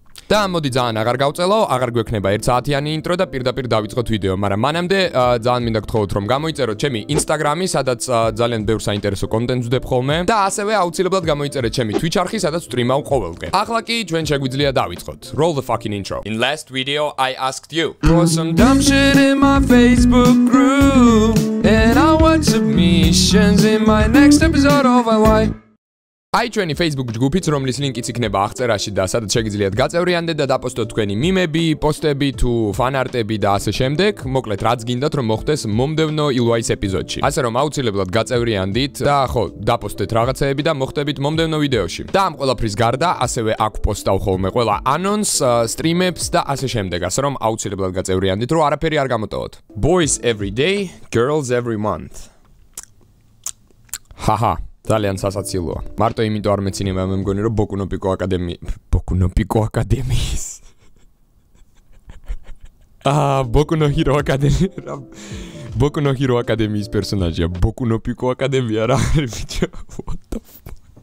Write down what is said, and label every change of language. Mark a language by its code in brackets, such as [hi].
[ka] Და მოდი ძალიან აღარ გავწელო, აღარ გვექნება 1 საათიანი ინტრო და პირდაპირ დავიწყოთ ვიდეო, მაგრამ მანამდე ძალიან მინდა გთხოვოთ რომ გამოიწეროთ ჩემი Instagram-ი, სადაც ძალიან ბევრ საინტერესო კონტენტს ვდებ ხოლმე და ასევე აუცილებლად გამოიწეროთ ჩემი Twitch არხი, სადაც ვსტრიმავ ყოველ დღე. ახლა კი ჩვენ შეგვიძლია დავიწყოთ. [en] Roll the fucking intro. In last video I asked you for some dumb shit in my Facebook group and I want submissions in my next episode of ILVIAY. [ka] აი ჩვენი Facebook ჯგუფიც რომლის ლინკიც იქნება აღწერაში და სადაც შეგიძლიათ გაწევრიანდეთ და დაპოსტოთ თქვენი მიმები, პოსტები თუ ფანარტები და ასე შემდეგ, მოკლედ რაც გინდათ რომ მოხდეს მომდევნო ILVIAY-ის ეპიზოდში. ასე რომ აუცილებლად გაწევრიანდით და ხო, დაპოსტეთ რაღაცეები და მოხდებით მომდევნო ვიდეოში. და ამ ყველაფრის გარდა ასევე აქ პოსტავ ხოლმე ყველა ანონს, სტრიმებს და ასე შემდეგ, ასე რომ აუცილებლად გაწევრიანდით, რომ არაფერი არ გამოტოვოთ. [en] Boys every day, girls every month. [ka] ჰაჰა ძალიან სასაცილოა. მარტო იმიტომ არ მეცინება მე მგონი რომ ბოკუნო პიკო აკადემიის. აა ბოკუნო ჰირო აკადემიის პერსონაჟია. ბოკუნო პიკო აკადემია რა არის ბიჭო? [en] What the fuck?